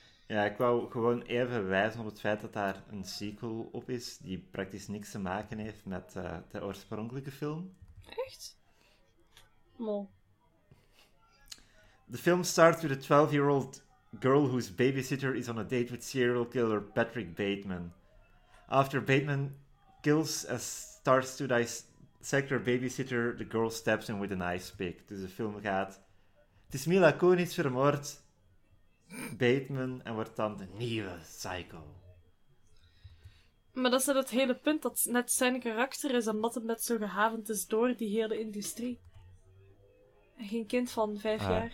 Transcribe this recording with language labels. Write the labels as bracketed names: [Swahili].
[Dutch] Ja, ik wou gewoon even wijzen op het feit dat daar een sequel op is die praktisch niks te maken heeft met de oorspronkelijke film. Echt? Mol. [English] The film starts with a 12-year-old girl whose babysitter is on a date with serial killer Patrick Bateman. After Bateman kills and starts to dissect her babysitter, the girl stabs him with an ice pick. [Dutch] Dus de film gaat... Het is Mila Kunis vermoord... Bateman en wordt dan de nieuwe Psycho. Maar dat is het hele punt, dat net zijn karakter is en dat het net zo gehavend is door die hele industrie. En geen kind van 5 jaar.